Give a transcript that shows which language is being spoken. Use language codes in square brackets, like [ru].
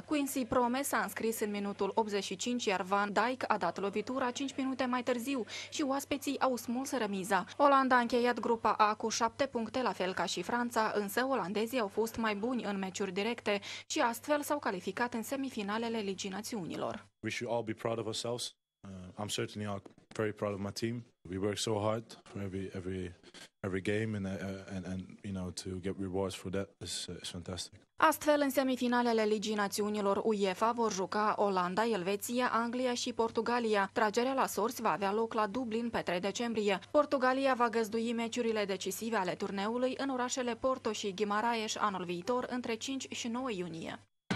[ro] Quincy Promes a înscris în minutul 85, iar Van Dijk a dat lovitura 5 minute mai târziu și oaspeții au smuls remiza. Olanda a încheiat grupa A cu 7 puncte, la fel ca și Franța, însă olandezii au fost mai buni în meciuri directe și astfel s-au calificat în semifinalele Ligii Națiunilor. [en] We should all be proud of ourselves. I'm certainly very proud of my team. We work so hard for every game and you know, to get rewards for that is fantastic. [ro] Astfel, în semifinalele Ligii Națiunilor UEFA vor juca Olanda, Elveția, Anglia și Portugalia. Tragerea la sorți va avea loc la Dublin pe 3 decembrie. Portugalia va găzdui meciurile decisive ale turneului în orașele Porto și Guimarães anul viitor, între 5 și 9 iunie.